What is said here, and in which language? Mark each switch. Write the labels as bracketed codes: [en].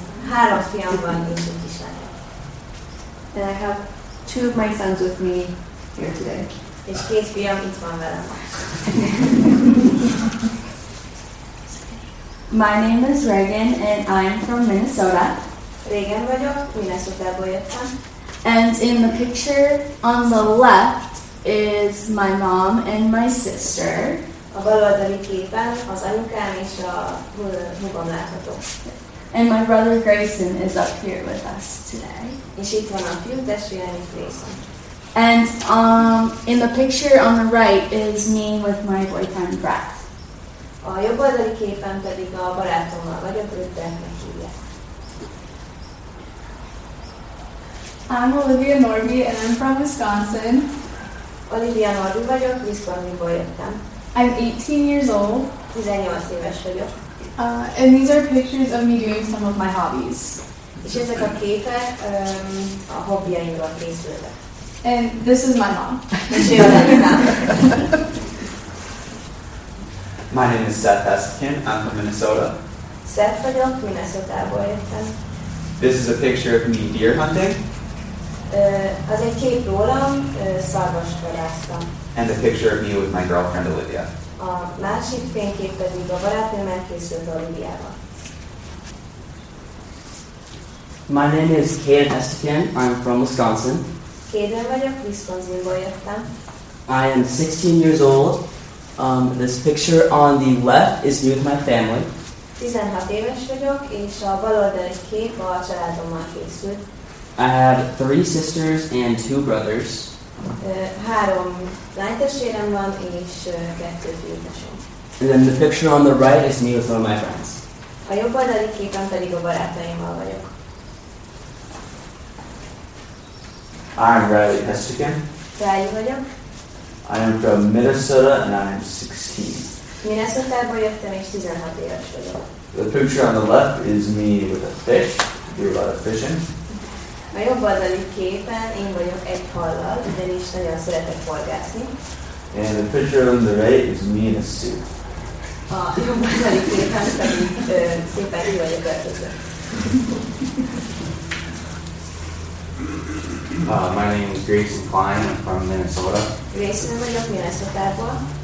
[hu] Három fiam van, és egy kislány. [en] And I have two of my sons with me here today. [hu] És két fiam itt van velem. [en] My name is Regan, and I am from Minnesota. [hu] Regan vagyok, Minnesota-ból jöttem. [en] And in the picture on the left, is my mom and my sister. [hu] A bal oldali képen az anyukám és a húgom látható. [en] And my brother Grayson is up here with us today. [hu] És itt van a fiú testvérem is, Grayson. [en] And in the picture on the right is me with my boyfriend Brett. [hu] A jobb oldali képen pedig a barátommal vagyok, őt Brettnek hívják. [en] I'm Olivia Norby and I'm from Wisconsin. [hu] Olivia Norby vagyok, Wisconsinból jöttem. [en] I'm 18 years old. [hu] 18 éves vagyok. [en] And these are pictures of me doing some of my hobbies. [hu] És ezek a képek a hobbiaimról készülve. [en] And this is my mom. [hu] És én az anyukám. [en] My name is Seth Hestigan. I'm from Minnesota. [hu] Seth vagyok, Minnesotából jöttem. [en] This is a picture of me deer hunting. [hu] Az egy kép rólam, szarvast vadásztam. [en] And a picture of me with my girlfriend Olivia. [hu] A másik fénykép pedig a barátnőmmel készült Olivia-val. [en] My name is Caden Estefan. I'm from Wisconsin. [hu] Caden vagyok, Wisconsinból jöttem. [en] I am 16 years old. This picture on the left is me with my family. [hu] 16 éves vagyok, és a bal oldali kép a családommal készült. [en] I have three sisters and two brothers. [hu] Három lánytestvérem van, és kettő fiútesem. [en] And then the picture on the right is me with one of my friends. [hu] A jobb oldali képen pedig a barátaimmal vagyok. [en] I'm Riley Hestigan. [hu] Riley vagyok. [en] I am from Minnesota and I am 16. [hu] Minnesota-ból jöttem, és 16 éves vagyok. [en] The picture on the left is me with a fish. I do a lot of fishing. [hu] A jobb oldali képen én vagyok egy hallal, ugyanis nagyon szeretek forgászni. [en] And the picture on the right is me in a suit. [hu] A jobb oldali képen pedig szépen ki vagyok öltözve. [en] My name is Grayson Klein. I'm from Minnesota. [hu] Grayson vagyok, Minnesota-ból.